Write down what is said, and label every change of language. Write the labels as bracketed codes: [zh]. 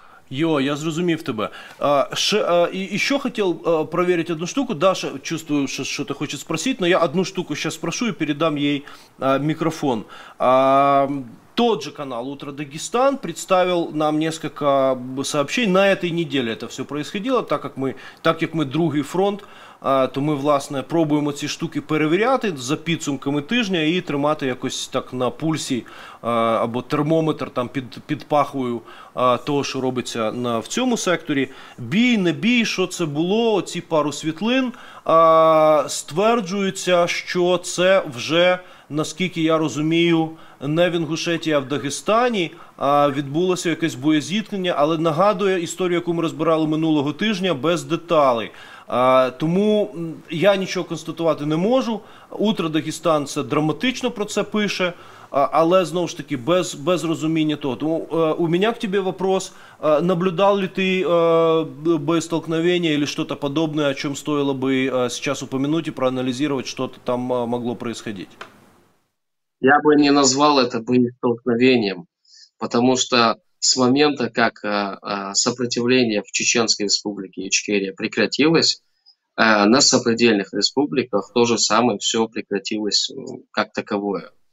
[uk] Йо, я зрозумів тебе. [ru] Еще хотел проверить одну штуку. Даша, чувствую, что что-то хочет спросить, но я одну штуку сейчас спрошу и передам ей микрофон. Тот же канал «Утро Дагестан» представил нам несколько сообщений. На этой неделе это все происходило, так как мы другий фронт, то мы, власне, пробуем эти штуки проверять [uk] за підсумками тижня и тримати якось так на пульсе або термометр там під пахою того, що робиться на, в цьому секторі. Бій, не бій, що це було, оці пару світлин, стверджується, що це вже, наскільки я розумію, не в Інгушетії, а в Дагестані, відбулося якесь боєзіткнення, але нагадує історію, яку ми розбирали минулого тижня, без деталей. Тому я нічого констатувати не можу. «Утро Дагестан» це драматично про це пише, але, знову ж таки, без розуміння того. Тому у мене [ru] к тебе вопрос, наблюдав ли ти боєстолкновення или что-то подобное, о чем стоило бы сейчас упомянуть и проанализировать, что-то там могло происходить? Я бы не назвал это боестолкновением, потому что с момента, как сопротивление в Чеченской республике Ичкерия прекратилось, на сопредельных республиках то же самое все прекратилось как таковое.